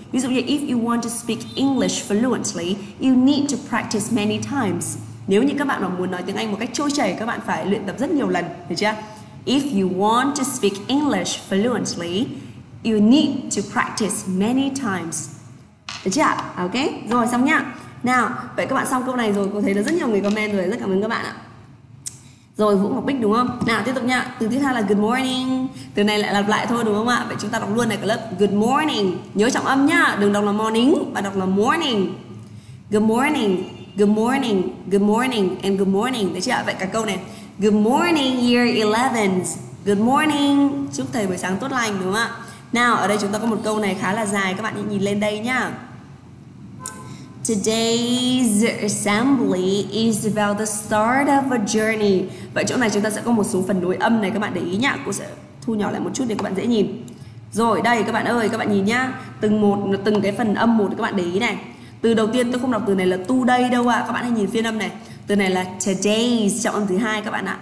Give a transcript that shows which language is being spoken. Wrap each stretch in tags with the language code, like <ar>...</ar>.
<vi>Ví dụ như</vi> <en>if you want to speak English fluently, you need to practice many times.</en> <vi>Nếu như các bạn mà muốn nói tiếng Anh một cách trôi chảy, các bạn phải luyện tập rất nhiều lần, được chưa?</vi> <en>If you want to speak English fluently, you need to practice many times.</en> <vi>Được chưa? Ok, rồi xong nhá. Nào, vậy các bạn xong câu này rồi, cô thấy là rất nhiều người comment rồi, rất cảm ơn các bạn ạ. Rồi Vũ Ngọc Bích đúng không? Nào tiếp tục nha. Từ thứ hai là good morning. Từ này lại lặp lại thôi đúng không ạ? Vậy chúng ta đọc luôn này cả lớp. Good morning. Nhớ trọng âm nhá. Đừng đọc là morning mà đọc là morning.</vi> <en>Good morning. Good morning. Good morning and good morning.</en> <vi>Được chưa ạ? Vậy cả câu này.</vi> <en>Good morning year 11. Good morning.</en> <vi>Chúc thầy buổi sáng tốt lành đúng không ạ? Nào ở đây chúng ta có một câu này khá là dài, các bạn nhìn lên đây nhá.</vi> <en>Today's assembly is about the start of a journey.</en> <vi>Vậy chỗ này chúng ta sẽ có một số phần nối âm này, các bạn để ý nhá. Cô sẽ thu nhỏ lại một chút để các bạn dễ nhìn. Rồi đây các bạn ơi, các bạn nhìn nhá. Từng cái phần âm một các bạn để ý này. Từ đầu tiên tôi không đọc từ này là today đâu ạ. Các bạn hãy nhìn phiên âm này. Từ này là today's, trọng âm thứ hai các bạn ạ.</vi>